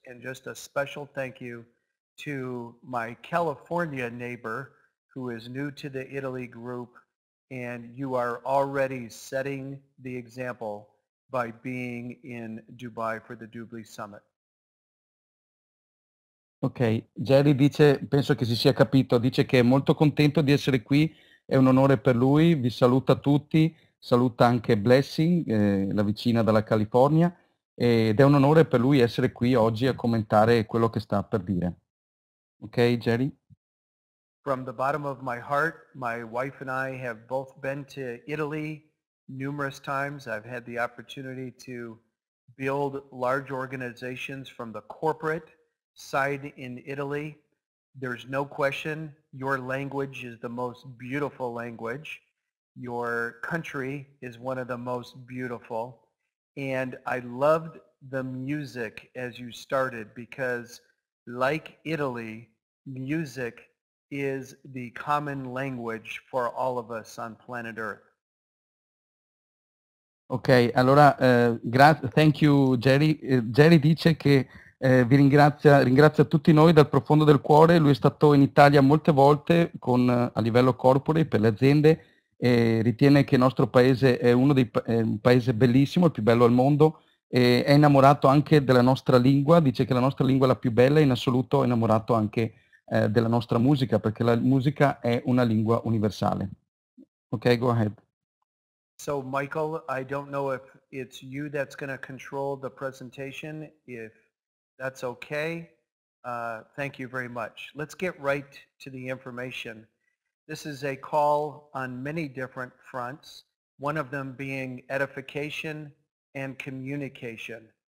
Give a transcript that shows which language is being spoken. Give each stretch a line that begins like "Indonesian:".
English: And just a special thank you to my California neighbor who is new to the Italy group. And you are already setting the example by being in Dubai for the Dubai Summit.
Italian: Ok, Jerry dice, penso che si sia capito, dice che è molto contento di essere qui, è un onore per lui, vi saluta tutti, saluta anche Blessing, la vicina dalla California, ed è un onore per lui essere qui oggi a commentare quello che sta per dire. Ok, Jerry?
English: From the bottom of my heart, my wife and I have both been to Italy numerous times. I've had the opportunity to build large organizations from the corporate side in Italy. There's no question your language is the most beautiful language. Your country is one of the most beautiful. And I loved the music as you started because, like Italy, music is the common language for all of us on planet Earth. Ok, allora thank you Jerry.
Italian: Jerry dice che vi ringrazia tutti noi dal profondo del cuore. Lui è stato in Italia molte volte con a livello corporate per le aziende e ritiene che il nostro paese è uno dei un paese bellissimo, il più bello al mondo e è innamorato anche della nostra lingua, dice che la nostra lingua è la più bella e in assoluto è innamorato anche della nostra musica, perché la musica è una lingua universale.
English: Ok, go ahead. So, Michael, I don't know if it's you that's going to control the presentation. If that's okay, thank you very much. Let's get right to the information. This is a call on many different fronts, one of them being edification and communication.